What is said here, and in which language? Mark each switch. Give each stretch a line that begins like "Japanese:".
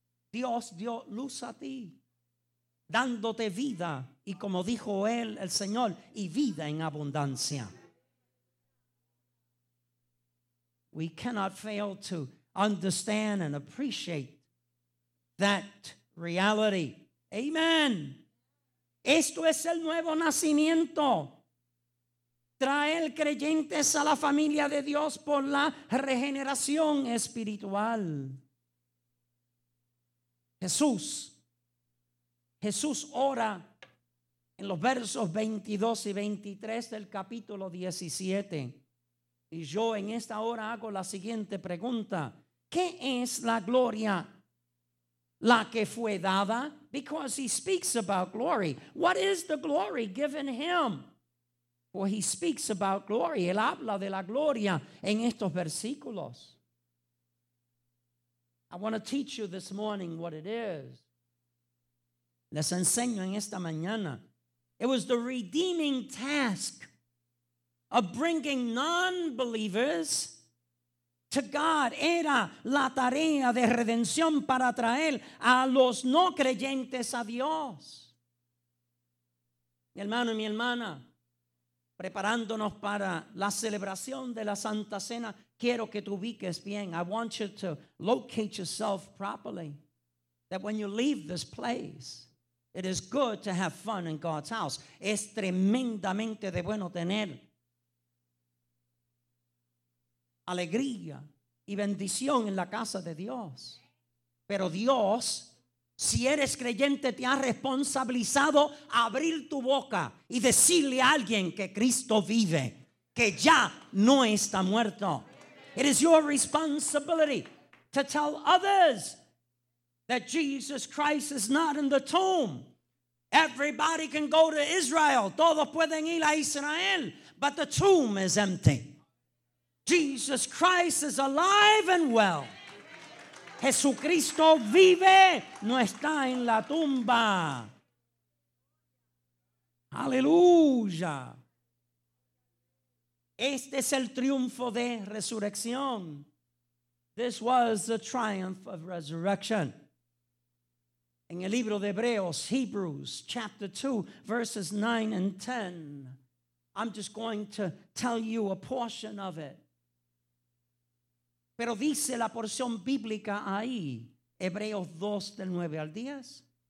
Spanish: Dios dio luz a ti, dándote vida, y como dijo él, el Señor, y vida en abundancia.
English: We cannot fail to understand and appreciate that reality.
Spanish: Amen. Esto es el nuevo nacimiento. Traer creyentes a la familia de Dios por la regeneración espiritual. Jesús ora en los versos 22 y 23 del capítulo 17. Y yo en esta hora hago la siguiente pregunta: ¿qué es la gloria la que fue dada?
English: Because he speaks about glory. What is the glory given him? For he speaks about glory.
Spanish: Él habla de la gloria en estos versículos.
English: I want to teach you this morning what it is.
Spanish: Les enseño en esta mañana.
English: It was the redeeming task of bringing non-believers to God.
Spanish: Era la tarea de redención para traer a los no creyentes a Dios. Mi hermano y mi hermana, preparándonos para la celebración de la Santa Cena, quiero que te ubiques bien.
English: I want you to locate yourself properly. That when you leave this place, it is good to have fun in God's house.
Spanish: Es tremendamente de bueno tener alegría y bendición en la casa de Dios. Pero Dios, si eres creyente, te ha responsabilizado abrir tu boca y decirle a alguien que Cristo vive, que ya no está muerto.
English: It is your responsibility to tell others that Jesus Christ is not in the tomb. Everybody can go to Israel.
Spanish: Todos pueden ir a Israel,
English: but the tomb is empty. Jesus Christ is alive and well.
Spanish: Jesucristo vive, no está en la tumba. Aleluya. Este es el triunfo de resurrección.
English: This was the triumph of resurrection.
Spanish: En el libro de Hebreos,
English: Hebrews chapter 2, verses 9 and 10. I'm just going to tell you a portion of it.
Spanish: Pero dice la porción bíblica ahí, Hebreos 2 del 9 al 10.